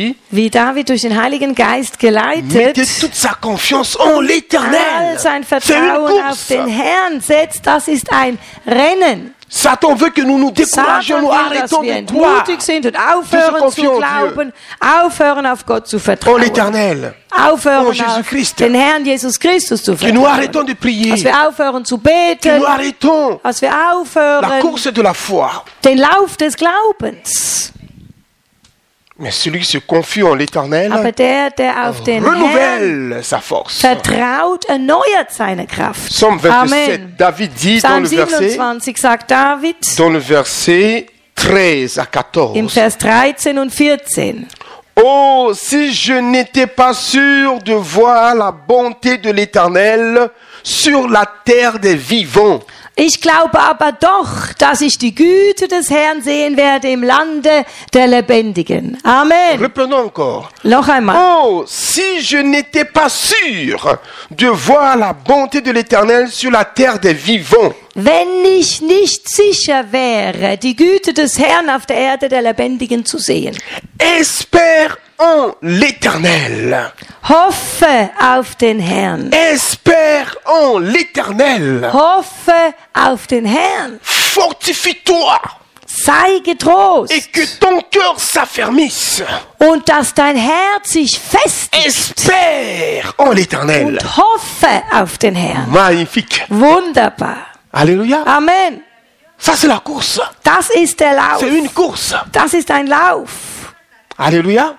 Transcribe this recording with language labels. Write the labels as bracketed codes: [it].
[de] Wie David durch den Heiligen Geist geleitet, [fr] toute sa confiance en l'Éternel. [de] All sein Vertrauen auf den Herrn setzt, das ist ein Rennen. [fr] Satan veut que nous nous découragions, nous arrêtons de croire. Satan veut que nous nous découragions, nous arrêtons de croire. [de] Aufhören auf Gott zu vertrauen. [fr] En l'Éternel. [de] Aufhören auf den Herrn Jesus Christus zu vertrauen. [fr] Que nous arrêtons de prier. [de] Dass wir aufhören zu beten. [fr] Que nous arrêtons. [de] Dass wir aufhören. [fr] La course de la foi. [de] Den Lauf des Glaubens. [fr] Mais celui qui se confie en l'Éternel. [de] Aber der auf den Herrn [fr] renouvelle sa force. [de] Vertraut, erneuert seine Kraft. [fr] Psalm 27, Amen. David dit [de] Psalm [fr] dans le verset. [de] 27 sagt David. [fr] Dans le verset 13 à 14. [de] Im Vers 13 und 14. [fr] Oh, si je n'étais pas sûr de voir la bonté de l'Éternel sur la terre des vivants. [de] Ich glaube aber doch, dass ich die Güte des Herrn sehen werde im Lande der Lebendigen. Amen. [fr] Reprenons encore. [de] Noch einmal. [fr] Oh, si je n'étais pas sûr de voir la bonté de l'Éternel sur la terre des vivants. [de] Wenn ich nicht sicher wäre, die Güte des Herrn auf der Erde der Lebendigen zu sehen. [fr] Espère en l'Éternel. [de] Hoffe auf den Herrn. [fr] Espère en l'Éternel. [de] Hoffe auf den Herrn. [fr] Fortifie-toi. [de] Sei getrost. [fr] Et que ton cœur s'affermisse. [de] Und dass dein Herz sich festigt. [fr] Espère en l'Éternel. [de] Und hoffe auf den Herrn. [fr] Magnifique. [de] Wunderbar. [fr] Alléluia. [de] Amen. [fr] Ça c'est la course. [de] Das ist der Lauf. [fr] C'est une course. [de] Das ist ein Lauf. [fr] Alléluia.